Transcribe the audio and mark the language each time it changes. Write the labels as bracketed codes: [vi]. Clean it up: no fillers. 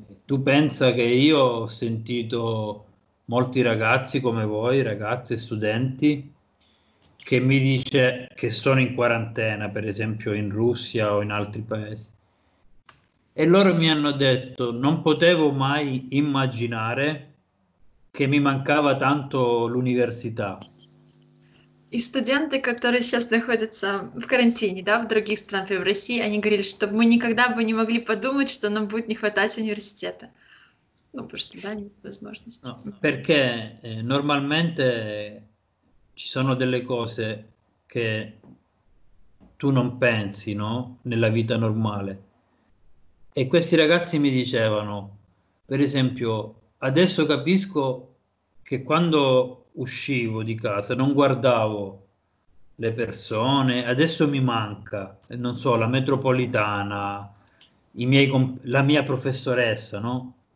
[it] Tu pensa che io ho sentito molti ragazzi come voi, ragazze, studenti, che mi dice che sono in quarantena, per esempio in Russia o in altri paesi. E loro mi hanno detto: "Non potevo mai immaginare che mi mancava tanto l'università". [ru] И студенты, которые сейчас находятся в карантине, да, в других странах, в России, они говорили, что мы никогда бы не могли подумать, что нам будет не хватать университета. Ну, потому что, да, нет возможности. [it] Perché normalmente ci sono delle cose che tu non pensi, no? Nella vita normale. E questi ragazzi mi dicevano, per esempio, adesso capisco che quando uscivo di casa non guardavo le persone, adesso mi manca, non so, la metropolitana, la mia professoressa, no?